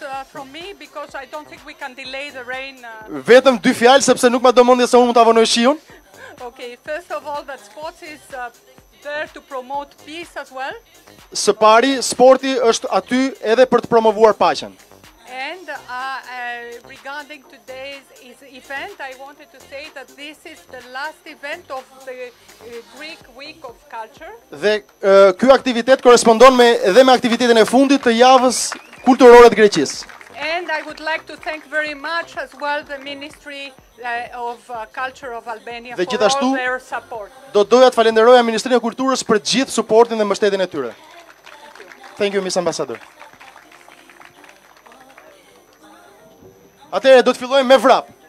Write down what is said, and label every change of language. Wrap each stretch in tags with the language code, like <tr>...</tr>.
<en>From me because I don't think we can delay the rain.</en> <sq>Vetëm dy fjalë sepse nuk ma domundje se unë mund ta vonoj shiun.</sq> <en>Okay, first of all that sport is there to promote peace as well.</en> <sq>Së pari, sporti është aty edhe për të promovuar paqen.</sq> <en>And regarding today's event, I wanted to say that this is the last event of the Greek Week of Culture.</en> <sq>Dhe ky aktivitet korrespondon me aktivitetin e fundit të javës kulturore të Greqisë.</sq> <en>And I would like to thank very much as well the Ministry of Culture of Albania for all their support.</en> <sq>Do doja të falenderoja Ministrinë e Kulturës për gjithë suportin dhe mbështetjen e tyre.</sq> <en>Thank you, Miss Ambassador.</en> <sq>Atëherë do të fillojmë me vrap.</sq>